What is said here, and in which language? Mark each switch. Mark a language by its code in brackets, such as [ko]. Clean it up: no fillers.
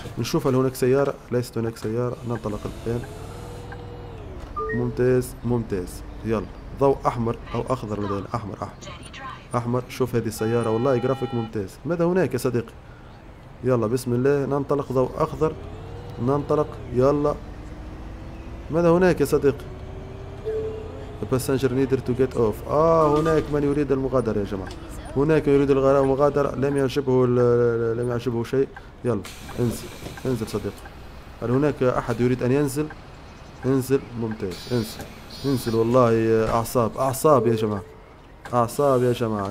[ar] نشوف هل هناك سيارة. ليست هناك سيارة. ننطلق الآن. ممتاز ممتاز. يلا، ضوء أحمر أو أخضر، مثلا أحمر أحمر أحمر. شوف هذه السيارة، والله جرافيك ممتاز. ماذا هناك يا صديقي؟ يلا بسم الله ننطلق. ضوء أخضر ننطلق. يلا، ماذا هناك يا صديقي؟ [en] The passenger needed to get off. [ar] هناك من يريد المغادرة يا جماعة، هناك يريد الغرام مغادرة. لم يعجبه شيء. يلا انزل انزل صديقي. هل هناك احد يريد ان ينزل؟ انزل. ممتاز. انزل انزل. والله اعصاب اعصاب يا جماعة، اعصاب يا جماعة.